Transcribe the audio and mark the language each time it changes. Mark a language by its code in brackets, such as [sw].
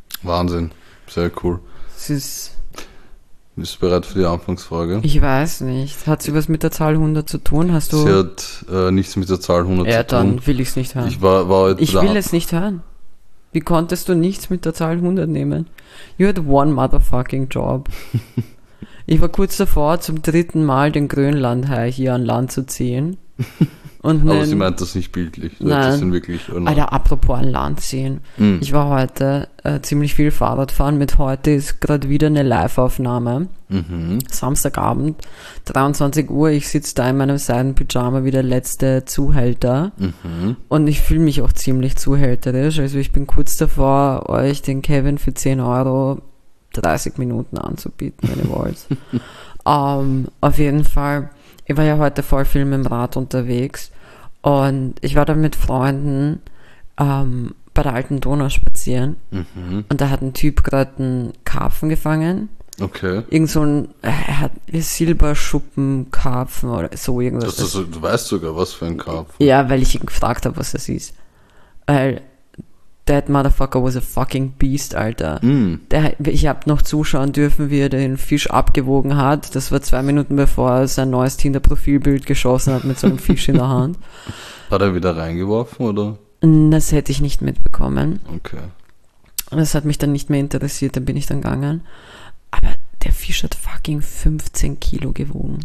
[de] Wahnsinn. Sehr cool. Bist du bereit für die Anfangsfrage? Ich weiß nicht. Hat sie was mit der Zahl 100 zu tun? Hast du? Sie hat nichts mit der Zahl 100 zu tun. Ja, dann will ich es nicht hören. Ich will es nicht hören. Wie konntest du nichts mit der Zahl 100 nehmen? [en] You had one motherfucking job. [de] Ich war kurz davor, zum dritten Mal den Grönlandhai hier an Land zu ziehen. Und aber sie meint das nicht bildlich. Nein. Das sind wirklich Alter, apropos an Land ziehen. Mhm. Ich war heute ziemlich viel Fahrrad fahren. Mit heute ist gerade wieder eine Live-Aufnahme. Mhm. Samstagabend, 23 Uhr. Ich sitze da in meinem Seidenpyjama wie der letzte Zuhälter. Mhm. Und ich fühle mich auch ziemlich zuhälterisch. Also ich bin kurz davor, euch den Kevin für 10 Euro 30 Minuten anzubieten, wenn ihr wollt. auf jeden Fall... Ich war ja heute voll viel mit dem Rad unterwegs und ich war da mit Freunden bei der alten Donau spazieren und da hat ein Typ gerade einen Karpfen gefangen. Okay. Irgend so ein, er hat Silberschuppenkarpfen oder so irgendwas. Du weißt sogar, was für ein Karpfen. Ja, weil ich ihn gefragt habe, was das ist. [en] Weil that motherfucker was a fucking beast, Alter. Mm. [de] Ich hab noch zuschauen dürfen, wie er den Fisch abgewogen hat. Das war 2 Minuten, bevor er sein neues Tinder-Profilbild geschossen hat mit so einem Fisch in der Hand. Hat er wieder reingeworfen, oder? Das hätte ich nicht mitbekommen. Okay. Das hat mich dann nicht mehr interessiert, dann bin ich dann gegangen. Aber der Fisch hat fucking 15 Kilo gewogen.